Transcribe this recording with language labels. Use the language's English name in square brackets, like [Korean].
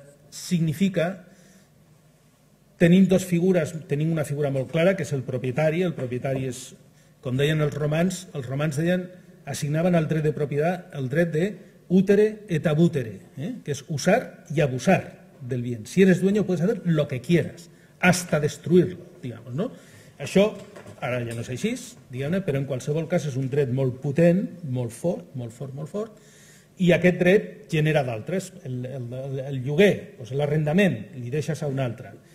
[Catalan] significa, tenim dues figures, tenim una figura molt clara que és el propietari és, com deien els romans deien, assignaven el dret de propietat, el dret de [Latin] utere et abutere, [Catalan] que és usar i abusar del bien. [Spanish] Si eres dueño, puedes hacer lo que quieras, hasta destruirlo, digamos, no? [Catalan] Això, ara ja no és així, diguem-ne, però en qualsevol cas és un dret molt potent, molt fort, i aquest dret genera d'altres. El lloguer, doncs l'arrendament, li deixes a un altre.